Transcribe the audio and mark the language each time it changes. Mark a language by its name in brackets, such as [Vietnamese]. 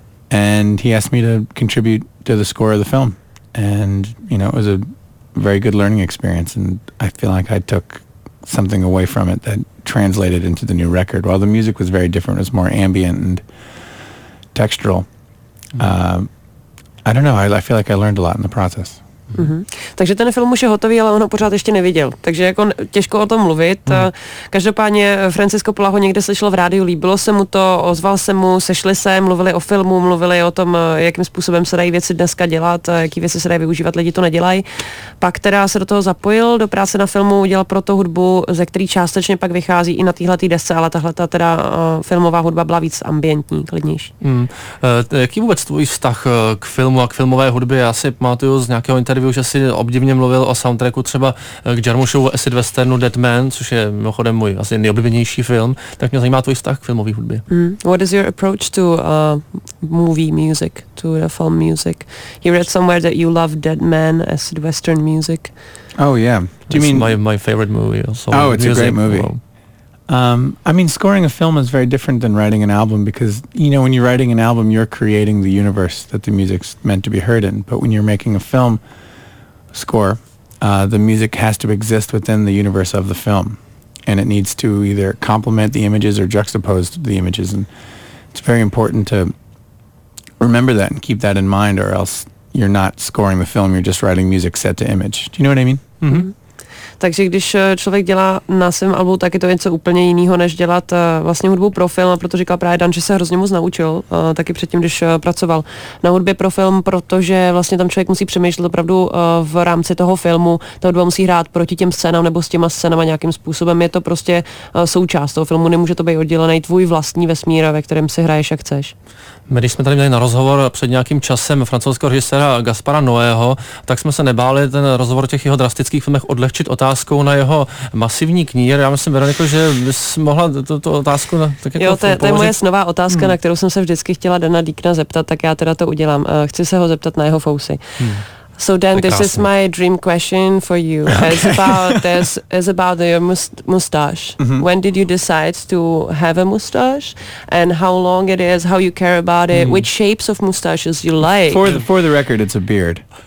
[English] And he asked me to contribute to the score of the film. And, you know, it was a very good learning experience. And I feel like I took something away from it that translated into the new record. While the music was very different, it was more ambient and textural. I don't know. I feel like I learned a lot in the process. [Czech] Takže ten film už je hotový, ale on ho pořád ještě neviděl, takže jako těžko o tom mluvit. Každopádně Francis Coppola ho někde slyšel v rádiu, líbilo se mu to, ozval se mu, sešli se, mluvili o filmu, mluvili o tom, jakým způsobem se dají věci dneska dělat, jaký věci se dají využívat, lidi to nedělají. Pak teda se do toho zapojil, do práce na filmu, udělal proto hudbu, ze který částečně pak vychází i na téhletý desce, ale tahleta teda filmová hudba byla víc ambientní, klidnější. Jaký vůbec tvůj vztah k filmu a k filmové hudbě? Já si pamatuju z nějakého interview, interview, že si obdivně mluvil o soundtracku třeba k Jarmuschovu acid westernu Dead Man, což je mimochodem můj asi nejoblíbenější film, tak mě zajímá tvůj vztah k filmové hudbě. [English] What is your approach to movie music, to the film music? You read somewhere that you love Dead Man acid western music. Oh yeah. Do you mean my favorite movie also? Oh, it's music. A great movie. Well, I mean, scoring a film is very different than writing an album because, you know, when you're writing an album, you're creating the universe that the music's meant to be heard in. But when you're making a film score, the music has to exist within the universe of the film. And it needs to either complement the images or juxtapose the images. And it's very important to remember that and keep that in mind, or else you're not scoring the film, you're just writing music set to image. Do you know what I mean? Mm-hmm. [Czech] Takže když člověk dělá na svém albu, tak je to něco úplně jiného, než dělat vlastně hudbu pro film, a proto říkal právě Dan, že se hrozně moc naučil, taky předtím, když pracoval na hudbě pro film, protože vlastně tam člověk musí přemýšlet opravdu v rámci toho filmu, ta hudba musí hrát proti těm scénám nebo s těma scénama nějakým způsobem, je to prostě součást toho filmu, nemůže to být oddělený tvůj vlastní vesmír, ve kterém si hraješ jak chceš. My když jsme tady měli na rozhovor před nějakým časem francouzského režiséra Gaspara Noého, tak jsme se nebáli ten rozhovor o těch jeho drastických filmech odlehčit otázkou na jeho masivní knír. Já myslím, Veroniko, že bys mohla tu otázku tak jako... Jo, to je moje snová otázka, na kterou jsem se vždycky chtěla Dana Deakna zeptat, tak já teda to udělám. Chci se ho zeptat na jeho fousy. [English] So Dan, this is my dream question for you. Okay. It's about your mustache. Mm-hmm. When did you decide to have a mustache, and how long it is? How you care about it? Mm. Which shapes of mustaches you like? For the record, it's a beard.